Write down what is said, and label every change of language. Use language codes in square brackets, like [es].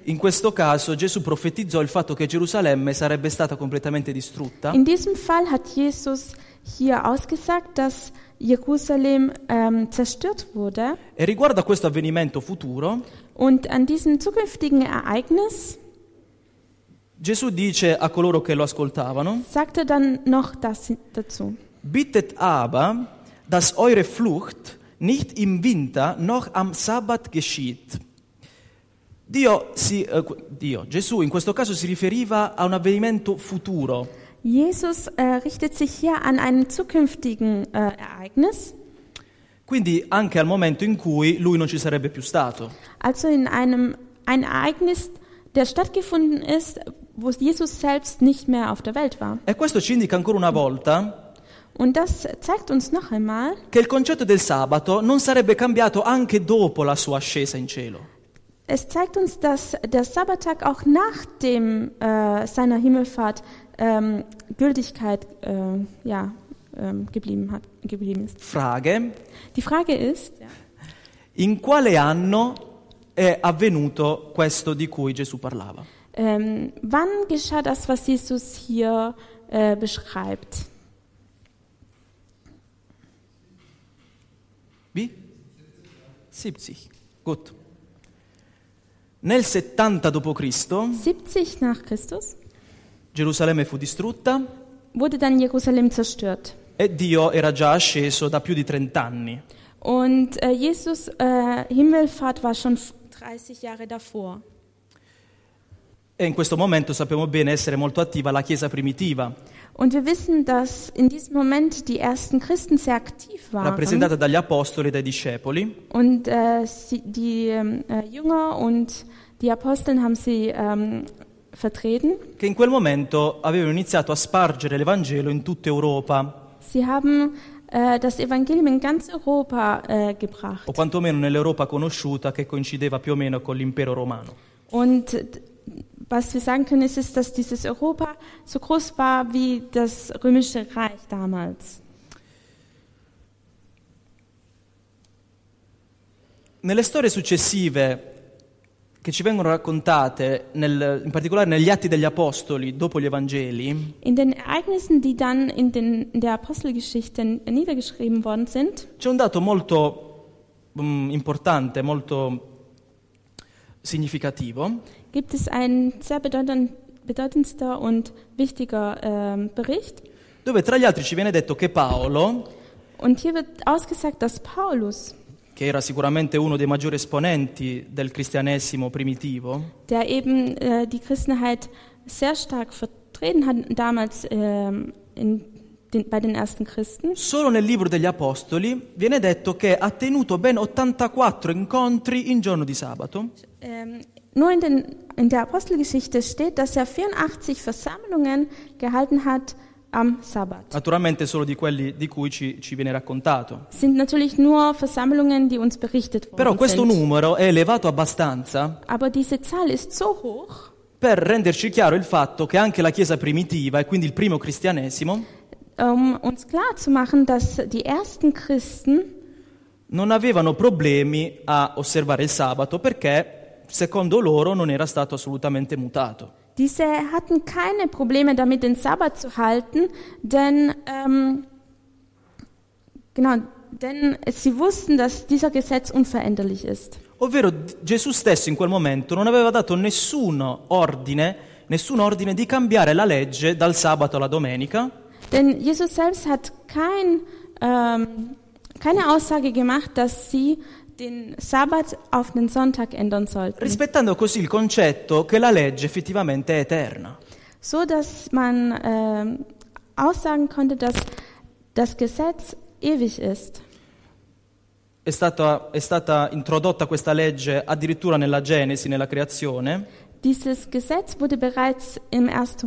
[it] In questo caso Gesù profetizzò il fatto che Gerusalemme sarebbe stata completamente distrutta. [de] In diesem Fall hat Jesus hier ausgesagt, dass Jerusalem zerstört wurde. [it] E riguardo a questo avvenimento futuro. [de] Und an diesem zukünftigen Ereignis. [it] Gesù dice a coloro che lo ascoltavano. [de] Sagte dann noch das dazu. Bittet aber, dass eure Flucht nicht im Winter noch am Sabbat geschieht. [it] Gesù in questo caso si riferiva a un avvenimento futuro. [de] Jesus richtet sich hier an einem zukünftigen Ereignis. [it] Quindi anche al momento in cui lui non ci sarebbe più stato. [de] Also in einem ein Ereignis, der stattgefunden ist, wo Jesus selbst nicht mehr auf der Welt war. [it] E questo ci indica ancora una volta. [de] Und das zeigt uns noch einmal, [it] che il concetto del sabato non sarebbe cambiato anche dopo la sua ascesa in cielo. [de] Es zeigt uns, dass der Sabbattag auch nach dem seiner Himmelfahrt Gültigkeit geblieben ist. Frage. Die Frage ist, [it] In quale anno è avvenuto questo di cui Gesù parlava? [de] Wann geschah das, was Jesus hier beschreibt? Wie? 70. Gut. [it] Nel 70 dopo Cristo. [de] 70 nach Christus. [it] Gerusalemme fu distrutta. [de] Wurde dann Jerusalem zerstört. [it] E Dio era già asceso da più di 30 anni. [de] Und Jesus Himmelfahrt war schon 30 Jahre davor. [it] E in questo momento sappiamo bene essere molto attiva la Chiesa primitiva. [de] Und wir wissen, dass in diesem Moment die ersten Christen sehr aktiv waren. [it] Rappresentata dagli apostoli e dai discepoli. [de] Und die Jünger und die Aposteln haben sie vertreten. [it] Che in quel momento avevano iniziato a spargere l'Evangelo in tutta Europa. [de] Sie haben das Evangelium in ganz Europa gebracht. [it] O quantomeno nell'Europa conosciuta che coincideva più o meno con l'Impero Romano. [de] Und was wir sagen können, ist, dass dieses Europa so groß war wie das Römische Reich damals. [it] Nelle storie successive che ci vengono raccontate, in particolare negli Atti degli Apostoli, dopo gli Evangeli, [de] in den Ereignissen, die dann in der Apostelgeschichte niedergeschrieben worden sind, [it] c'è un dato molto importante, molto significativo. [de] Gibt es ein sehr bedeutendster und wichtiger Bericht? [it] Dove tra gli altri ci viene detto che Paolo, [de] und hier wird ausgesagt, dass Paulus, [it] che era sicuramente uno dei maggiori esponenti del cristianesimo primitivo, [de] der eben die Christenheit sehr stark vertreten hat damals bei den ersten Christen. [it] Solo nel libro degli Apostoli viene detto che ha tenuto ben 84 incontri in giorno di sabato. [de] Nur in der Apostelgeschichte steht, dass er 84 Versammlungen gehalten hat am Sabbat. [it] Naturalmente solo di quelli di cui ci viene raccontato. [de] Sind natürlich nur Versammlungen, die uns berichtet worden [it] Però questo [de] sind. [it] Numero è elevato abbastanza. [de] Aber diese Zahl ist so hoch. [it] Per renderci chiaro il fatto che anche la Chiesa primitiva e quindi il primo cristianesimo. [de] Uns klar zu machen, dass die ersten Christen [it] non avevano problemi a osservare il sabato perché secondo loro non era stato assolutamente mutato. [de] Diese hatten keine Probleme damit, den Sabbat zu halten, denn sie wussten, dass dieser Gesetz unveränderlich ist. [it] Ovvero Gesù stesso in quel momento non aveva dato nessun ordine di cambiare la legge dal sabato alla domenica. [de] Denn Jesus selbst hat keine Aussage gemacht, dass sie den Sabbat auf den Sonntag ändern sollten. [it] Rispettando così il concetto che la legge effettivamente è eterna. [de] So dass man aussagen konnte, dass das Gesetz ewig ist. [it] È stata introdotta questa legge addirittura nella Genesi, nella creazione. [de] Dieses Gesetz wurde bereits im 1.